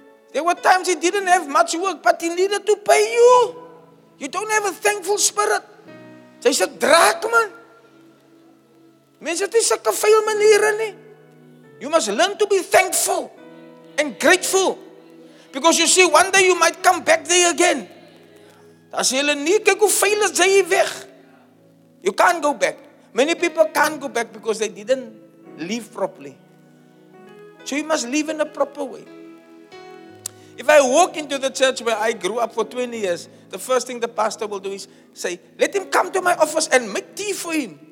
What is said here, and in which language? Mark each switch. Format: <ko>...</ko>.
<en>There were times he didn't have much work, but he needed to pay you. You don't have a thankful spirit.</en> <af>Jy is 'n draak, man. Mense, dit is sulke vuil maniere nie.</af> <en>You must learn to be thankful and grateful. Because you see, one day you might come back there again.</en> <af>As jy hulle nie, kyk hoe vuil is jy weg.</af> <en>You can't go back. Many people can't go back because they didn't leave properly. So you must leave in a proper way. If I walk into the church where I grew up for 20 years, the first thing the pastor will do is say, let him come to my office and make tea for him.</en>